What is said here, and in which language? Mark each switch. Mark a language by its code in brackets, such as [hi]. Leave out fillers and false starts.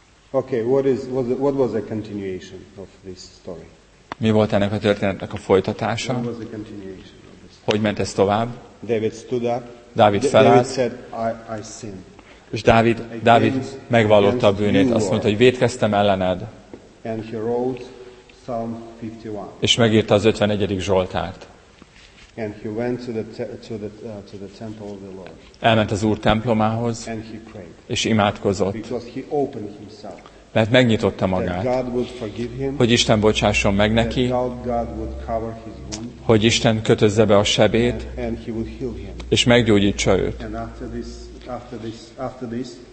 [en] Okay, what was the continuation of this story? [hu] Mi volt ennek a történetnek a folytatása? [en] What was the continuation of this? [hu] Hogy ment ez tovább? [en] David stood up. [hu] Dávid felállt. [en] David said, I sinned. [hu] És Dávid megvallotta a bűnét, azt mondta, hogy vétkeztem ellened. [en] And he wrote Psalm 51. [hu] És megírta az 51. Zsoltárt. [en] And he went to the temple of the Lord. [hu] Elment az Úr templomához. [en] And he prayed. [hu] És imádkozott. [en] Because he opened himself. [hu] Mert megnyitotta magát. [en] That God would forgive him. [hu] Hogy Isten bocsásson meg neki. [en] That God would cover his wound. [hu] Hogy Isten kötözze be a sebét. [en] And he would heal him. [hu] És meggyógyítsa őt. [en] And after this.